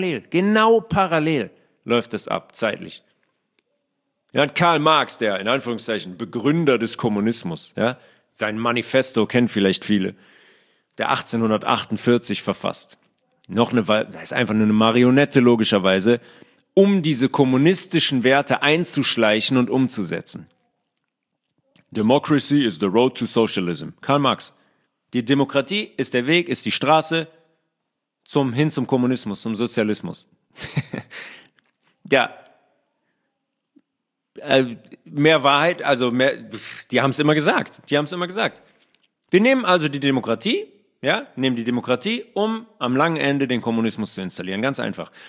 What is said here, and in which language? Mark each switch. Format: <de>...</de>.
<de>Genau parallel läuft es ab, zeitlich. Ja, und Karl Marx, der in Anführungszeichen Begründer des Kommunismus, ja, sein Manifesto kennt vielleicht viele, der 1848 verfasst. Das ist einfach nur eine Marionette, logischerweise, um diese kommunistischen Werte einzuschleichen und umzusetzen.</de> <en>Democracy is the road to socialism. Karl Marx.</en> <de>Die Demokratie ist der Weg, ist die Straße hin zum Kommunismus, zum Sozialismus. Ja. Mehr Wahrheit, also mehr, die haben es immer gesagt. Die haben es immer gesagt. Wir nehmen also die Demokratie. Ja, nehmen die Demokratie, um am langen Ende den Kommunismus zu installieren. Ganz einfach.</de>